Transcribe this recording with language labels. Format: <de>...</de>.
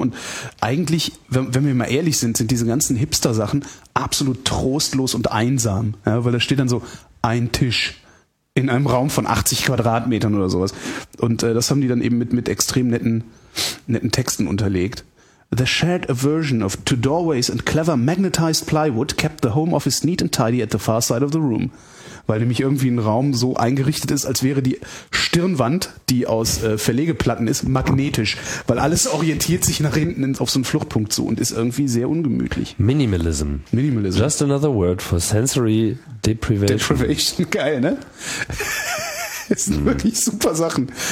<de>Und eigentlich, wenn wir mal ehrlich sind, sind diese ganzen Hipster-Sachen absolut trostlos und einsam. Ja, weil da steht dann so ein Tisch. In einem Raum von 80 Quadratmetern oder sowas. Und das haben die dann eben mit extrem netten Texten unterlegt.</de> <en>The shared aversion of two doorways and clever magnetized plywood kept the home office neat and tidy at the far side of the room.</en> <de>Weil nämlich irgendwie ein Raum so eingerichtet ist, als wäre die Stirnwand, die aus Verlegeplatten ist, magnetisch. Weil alles orientiert sich nach hinten auf so einen Fluchtpunkt zu und ist irgendwie sehr ungemütlich.</de> <en>Minimalism. Minimalism. Just another word for sensory deprivation.</en> <de>Deprivation, geil, ne? Das sind wirklich super Sachen.</de>